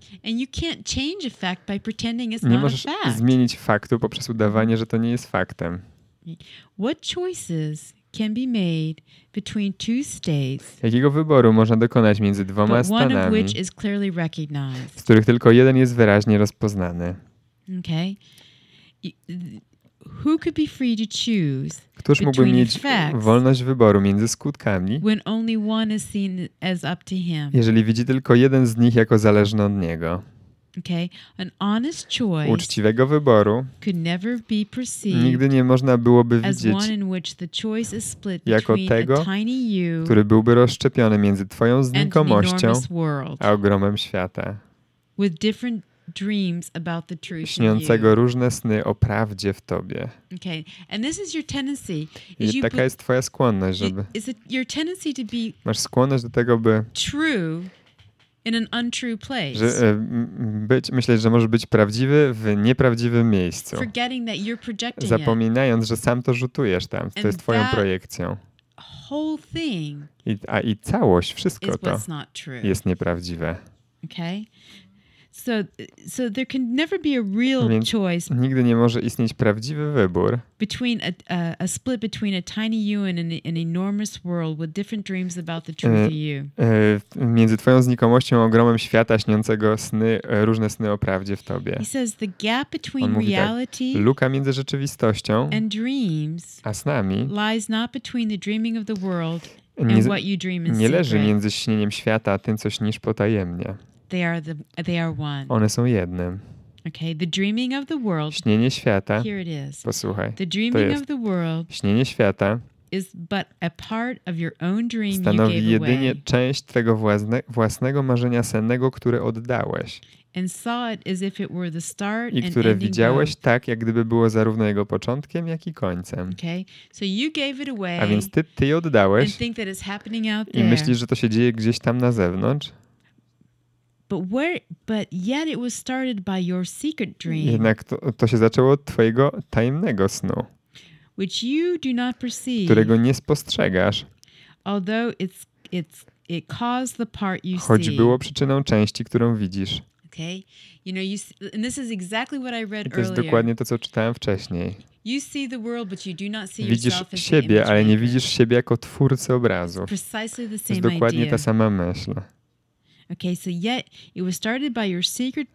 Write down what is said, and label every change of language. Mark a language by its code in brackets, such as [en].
[en] And you can't change a fact by pretending it's [pl] nie [en] not a fact. [pl] Nie możesz zmienić faktu poprzez udawanie, że to nie jest faktem. [en] What choices can be made between two states? [pl] Jakiego wyboru można dokonać między dwoma stanami? [en] One of which is clearly recognized. [pl] Z których tylko jeden jest wyraźnie rozpoznany. [en] Okay. Who could be free to choose? [pl] Któż mógłby mieć wolność wyboru między skutkami? [en] When only one is seen as up to him. [pl] Jeżeli widzi tylko jeden z nich jako zależny od niego. [en] Okay. An honest choice. [pl] Uczciwego wyboru. [en] Could never be perceived. [pl] Nigdy nie można byłoby widzieć. [en] As one in which the choice is split between [pl] jako tego, [en] a tiny you, [pl] który byłby rozszczepiony między twoją znikomością a ogromem świata. [en] With different dreams about the truth. [pl] Śniącego różne sny o prawdzie w tobie. [en] Okay. And this is your tendency. [pl] I taka jest twoja skłonność, żeby [en] is it your tendency to be [pl] masz skłonność do tego, by [en] true in an untrue place. [pl] Że, być, myśleć, że możesz być prawdziwy w nieprawdziwym miejscu. [en] Forgetting that you're projecting it. [pl] Zapominając, że sam to rzutujesz tam. [en] To and [pl] jest twoją projekcją. [en] Whole thing [pl] I całość, wszystko [en] is [pl] to [en] what's not true. [pl] Jest nieprawdziwe. [en] Okay. So there can never be a real choice. [pl] Nigdy nie może istnieć prawdziwy wybór. [en] Between a split between a tiny you and an enormous world with different dreams about the truth of you. [pl] Między twoją znikomością a ogromem świata śniącego sny, różne sny o prawdzie w tobie. [en] He says the gap between reality. [pl] Tak, luka między rzeczywistością [en] and dreams. [pl] A snami. [en] Lies not between the dreaming of the world and what you dream in secret. [pl] Nie leży między śnieniem świata a tym, co śnisz potajemnie. [en] They are one. [pl] One są jednym. [en] Okay, the dreaming of the world. [pl] Śnienie świata. [en] Here it is. [pl] Posłuchaj. [en] The dreaming of the world. [pl] Śnienie świata. [en] Is but a part of your own dream you gave away. [pl] Stanowi jedynie część twojego własnego marzenia sennego, które oddałeś. [en] And saw it as if it were the start and ending. [pl] I które widziałeś tak, jak gdyby było zarówno jego początkiem, jak i końcem. [en] Okay, so you gave it away. [pl] A więc ty oddałeś. [en] And think that it's happening out there. [pl] I myślisz, że to się dzieje gdzieś tam na zewnątrz. [en] But yet it was started by your secret dream. [pl] Jednak to się zaczęło od twojego tajemnego snu. [en] Which you do not perceive. [pl] Którego nie spostrzegasz. [en] Although it caused the part you see. [pl] Choć było przyczyną części, którą widzisz. [en] Okay. You know, and this is exactly what I read earlier. [pl] To jest dokładnie to, co czytałem wcześniej. [en] You see the world, but you do not see [pl] widzisz [en] yourself [pl] siebie, [en] as the image [pl] ale nie widzisz siebie jako twórcę obrazów. [en] It's precisely the same [pl] to jest dokładnie [en] idea. [pl] Ta sama myśl. [en] Okay, so yet it was started by your secret dream.